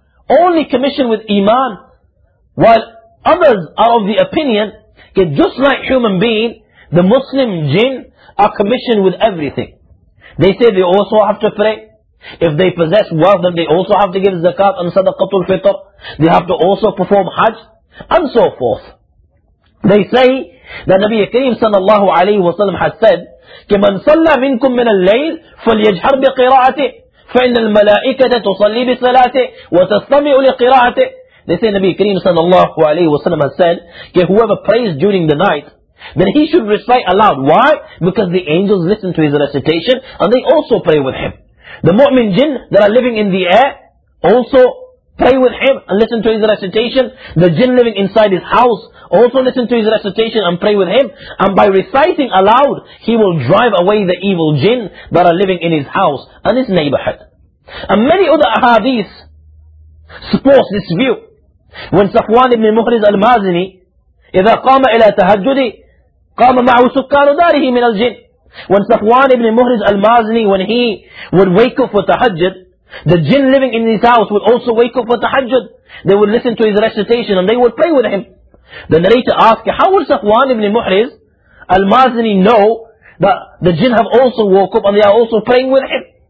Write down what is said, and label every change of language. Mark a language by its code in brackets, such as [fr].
[en] Only commissioned with iman. While others are of the opinion, that just like human being, the Muslim jinn are commissioned with everything. They say they also have to pray. If they possess wealth, then they also have to give zakat and sadaqatul fitr. They have to also perform hajj and so forth. They say that Nabi Kareem sallallahu alayhi wa sallam has said, [ar] كَمَنْ صَلَّى مِنْكُمْ مِنَ اللَّيْلِ فَلْيَجْهَرْ بِقِرَاعَتِهِ فَإِنَّ الْمَلَائِكَةَ تُصَلِّي بِسَلَاتِهِ وَتَسْتَمِعُ لِقِرَاعَتِهِ. [en] They say Nabi Kareem sallallahu alayhi wa sallam has said, that whoever prays during the night, then he should recite aloud. Why? Because the angels listen to his recitation and they also pray with him. The mu'min jinn that are living in the air also pray with him and listen to his recitation. The jinn living inside his house also listen to his recitation and pray with him. And by reciting aloud, he will drive away the evil jinn that are living in his house and his neighborhood. And many other ahadith support this view. [ar] When Safwan ibn Muhriz al-Mazini, إِذَا قَامَ إِلَىٰ تَهَجُّدِ قَامَ مَعُهُ سُكَّانُ دَارِهِ مِنَ الْجِنِ. [en] When Safwan ibn Muhriz al-Mazini, when he would wake up for tahajjud, the jinn living in his house would also wake up for tahajjud. They would listen to his recitation and they would pray with him. The narrator asked, how would Safwan ibn Muhriz al-Mazini know that the jinn have also woke up and they are also praying with him?